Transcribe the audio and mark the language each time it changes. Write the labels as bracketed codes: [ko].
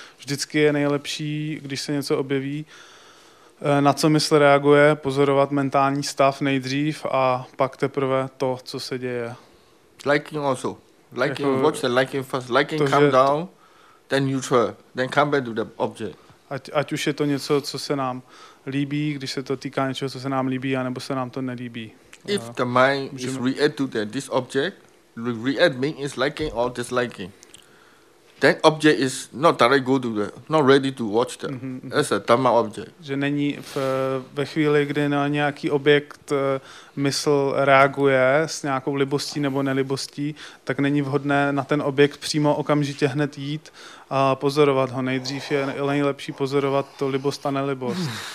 [cs] Vždycky je nejlepší, když se něco objeví, na co mysl reaguje, pozorovat mentální stav nejdřív a pak teprve to, co se děje. [en] Liking also. Liking, jako, watch the liking first. Liking to, come že, down, then neutral, then come back to the object. [cs] Ať už je to něco, co se nám líbí, když se to týká něčeho, co se nám líbí, anebo se nám to nelíbí. [en] If the mind is react to this object, react means liking or disliking. That object is not directly good to the, not ready to watch them. Mm-hmm. That's a dhamma object. [cs] Že není ve chvíli, kdy na nějaký objekt mysl reaguje s nějakou libostí nebo nelibostí, tak není vhodné na ten objekt přímo okamžitě hned jít a pozorovat ho. Nejdřív je nejlepší pozorovat to libost a nelibost.